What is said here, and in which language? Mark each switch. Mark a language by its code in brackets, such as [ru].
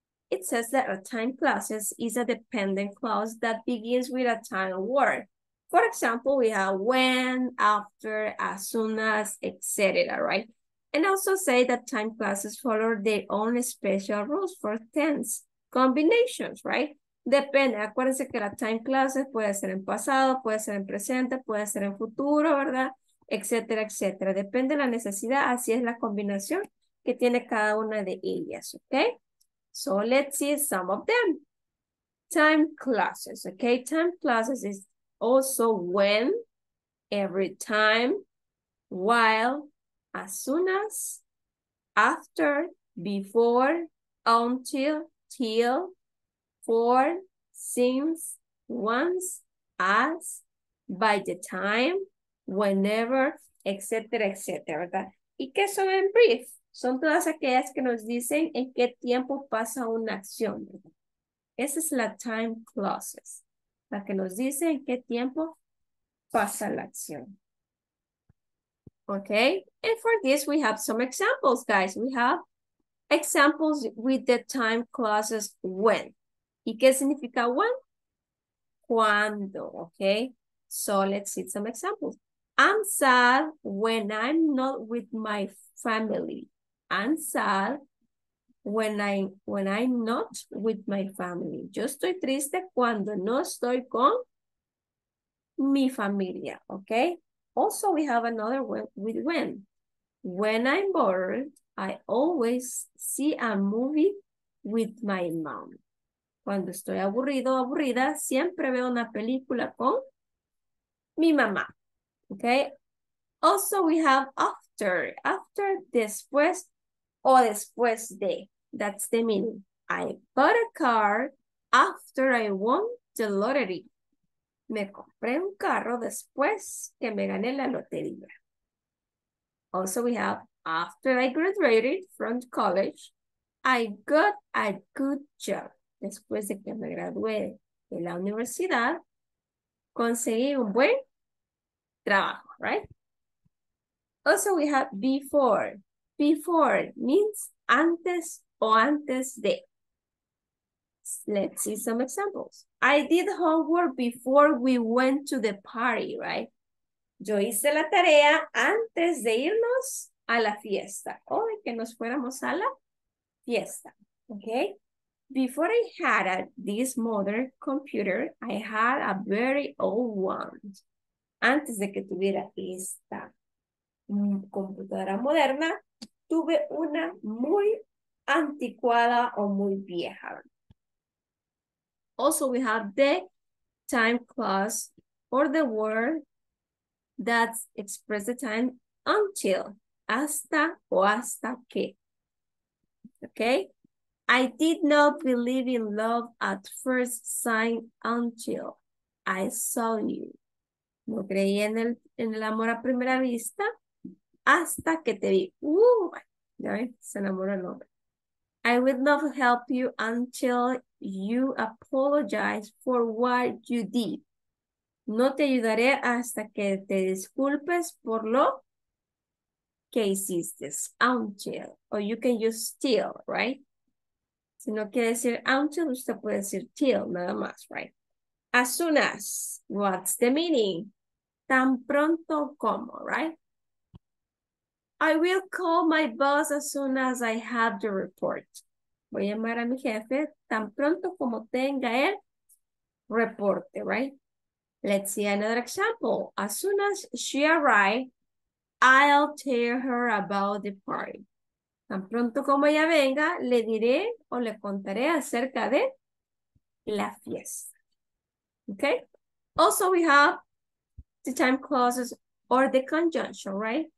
[en] It says that a time clause is a dependent clause that begins with a time word. For example, we have when, after, as soon as, etc., right? And also say that time clauses follow their own special rules for tense combinations, right? [es] Depende, acuérdense que la time clause puede ser en pasado, puede ser en presente, puede ser en futuro, ¿verdad? Etc., etc. Depende de la necesidad, así es la combinación que tiene cada una de ellas, ¿ok? [en] So let's see some of them. Time clauses, okay? Time clauses is also when, every time, while, as soon as, after, before, until, till, for, since, once, as, by the time, whenever, etc., etc., ¿verdad? [es] ¿Y qué son en brief? Son todas aquellas que nos dicen en qué tiempo pasa una acción. Esa es la time clauses. La que nos dice en qué tiempo pasa la acción. [en] Okay. And for this, we have some examples, guys. We have examples with the time clauses when. [es] ¿Y qué significa when? Cuando. Okay. [en] So let's see some examples. I'm sad when I'm not with my family. I'm sad when I'm not with my family. [es] Yo estoy triste cuando no estoy con mi familia, okay? [en] Also, we have another one with when. When I'm bored, I always see a movie with my mom. [es] Cuando estoy aburrido o aburrida, siempre veo una película con mi mamá, okay? [en] Also, we have after. After, después. [es] O después de, [en] that's the meaning. I bought a car after I won the lottery. [es] Me compré un carro después que me gané la lotería. [en] Also we have, after I graduated from college, I got a good job. [es] Después de que me gradué de la universidad, conseguí un buen trabajo, right? [en] Also we have before. Before means [es] antes o antes de. [en] Let's see some examples. I did homework before we went to the party, right? [es] Yo hice la tarea antes de irnos a la fiesta. O de que nos fuéramos a la fiesta. Okay. [en] Before I had this modern computer, I had a very old one. [es] Antes de que tuviera esta computadora moderna, tuve una muy anticuada o muy vieja. [en] Also, we have the time clause or the word that expresses the time until, [es] hasta o hasta que. [en] Okay? I did not believe in love at first sight until I saw you. [es] No creí en el amor a primera vista hasta que te vi. Se enamoró el hombre. [en] I will not help you until you apologize for what you did. [es] No te ayudaré hasta que te disculpes por lo que hiciste. Until. [en] Or you can use till, right? [es] Si no quiere decir until, usted puede decir till, nada más, right? [en] As soon as. What's the meaning? [es] Tan pronto como, [en] right? I will call my boss as soon as I have the report. [es] Voy a llamar a mi jefe tan pronto como tenga el reporte, right? [en] Let's see another example. As soon as she arrives, I'll tell her about the party. [es] Tan pronto como ella venga, le diré o le contaré acerca de la fiesta. [en] Okay? Also, we have the time clauses or the conjunction, right?